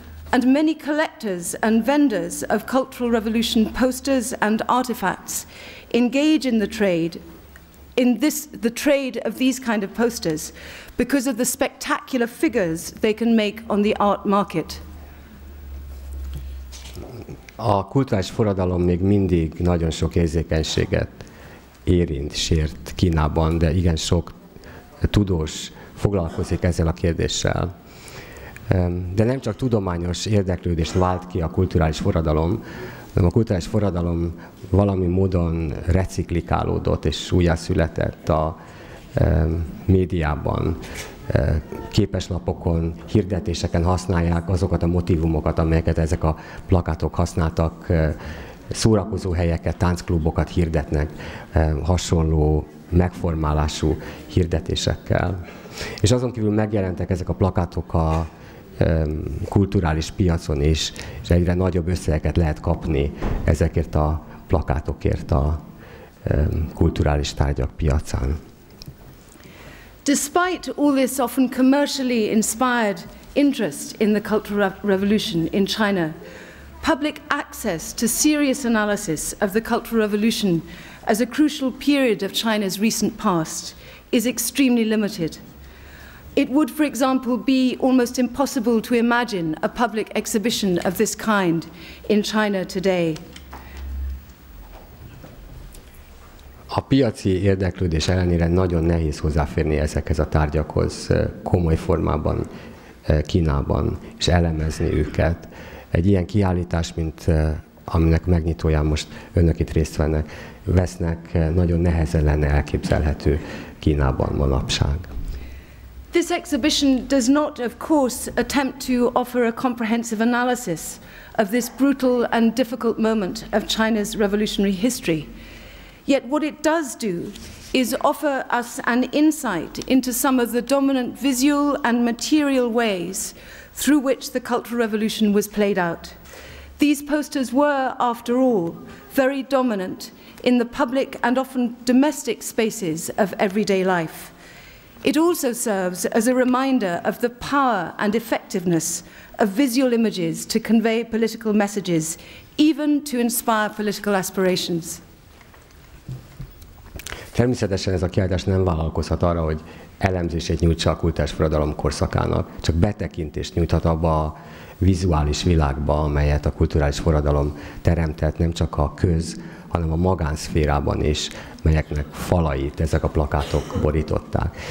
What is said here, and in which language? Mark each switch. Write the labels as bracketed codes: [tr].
[en] And many collectors and vendors of Cultural Revolution posters and artifacts engage in the trade of these kind of posters because of the spectacular figures they can make on the art market. [hu] A kulturális forradalom még mindig nagyon sok érzékenységet érint, sért Kínában, de igen sok tudós foglalkozik ezzel a kérdéssel. De nem csak tudományos érdeklődést vált ki a kulturális forradalom, hanem a kulturális forradalom valami módon reciklikálódott és újjászületett a médiában. Képeslapokon, hirdetéseken használják azokat a motivumokat, amelyeket ezek a plakátok használtak, szórakozó helyeket, táncklubokat hirdetnek hasonló megformálású hirdetésekkel. És azon kívül megjelentek ezek a plakátok a kulturális piacon is, és egyre nagyobb összegeket lehet kapni ezekért a plakátokért a kulturális tárgyak piacán. [en] Despite all this often commercially inspired interest in the Cultural Revolution in China, public access to serious analysis of the Cultural Revolution as a crucial period of China's recent past is extremely limited. It would, for example, be almost impossible to imagine a public exhibition of this kind in China today. [hu] A piaci érdeklődés ellenére nagyon nehéz hozzáférni ezekhez a tárgyakhoz komoly formában Kínában, és elemezni őket. Egy ilyen kiállítás, mint aminek megnyitóján most önök itt részt vesznek, nagyon nehezen lenne elképzelhető Kínában manapság. [en] This exhibition does not, of course, attempt to offer a comprehensive analysis of this brutal and difficult moment of China's revolutionary history. Yet what it does do is offer us an insight into some of the dominant visual and material ways through which the Cultural Revolution was played out. These posters were, after all, very dominant in the public and often domestic spaces of everyday life. It also serves as a reminder of the power and effectiveness of visual images to convey political messages, even to inspire political aspirations. [hu] Természetesen ez a kiállítás nem vállalkozhat arra, hogy elemzését nyújtsa a kultúrás forradalom korszakának, csak betekintést nyújthat abba a vizuális világba, amelyet a kulturális forradalom teremtett nem csak a köz, hanem a magánszférában is, melyeknek falait ezek a plakátok borították.